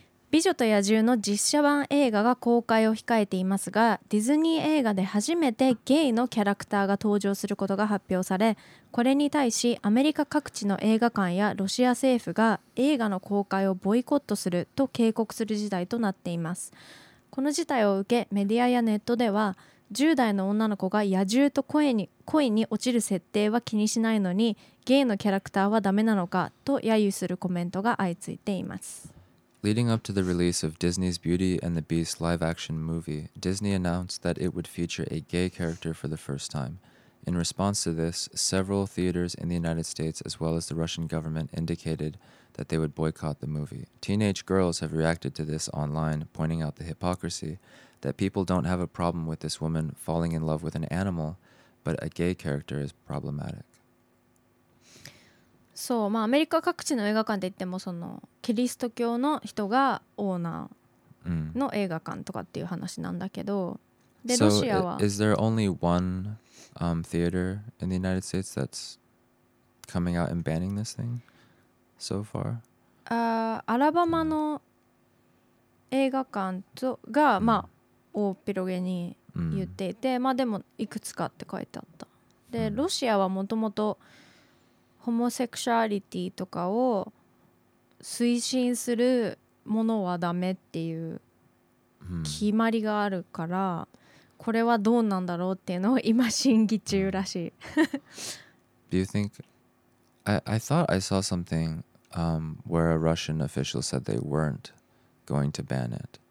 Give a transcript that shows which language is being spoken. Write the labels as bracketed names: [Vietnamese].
[Japanese] 美女と野獣の実写版映画が公開を控えていますが、ディズニー映画で初めてゲイのキャラクターが登場することが発表され、これに対しアメリカ各地の映画館やロシア政府が映画の公開をボイコットすると警告する事態となっています。この事態を受け、メディアやネットでは10代の女の子が野獣と恋に落ちる設定は気にしないのに、ゲイのキャラクターはダメなのかと揶揄するコメントが相次いでいます。 [English] Leading up to the release of Disney's Beauty and the Beast live-action movie, Disney announced that it would feature a gay character for the first time. In response to this, several theaters in the United States as well as the Russian government indicated that they would boycott the movie. Teenage girls have reacted to this online, pointing out the hypocrisy that people don't have a problem with this woman falling in love with an animal, but a gay character is problematic. [Japanese] そう、まあアメリカ各地の映画館で言ってもそのキリスト教の人がオーナーの映画館とかっていう話なんだけど、で、ロシアは、 [English] is there only one theater in the United States that's coming out and banning this thing so far? [Japanese] アラバマの映画館とが、まあ大っぴろげに言っていて、まあでもいくつかって書いてあった。で、ロシアはもともとホモセクシュアリティとかを推進するものはダメっていう決まりがあるから、これはどうなんだろうっていうのを今審議中らしい。 [English] Do you think? I thought I saw something where a Russian official said they weren't going to ban it.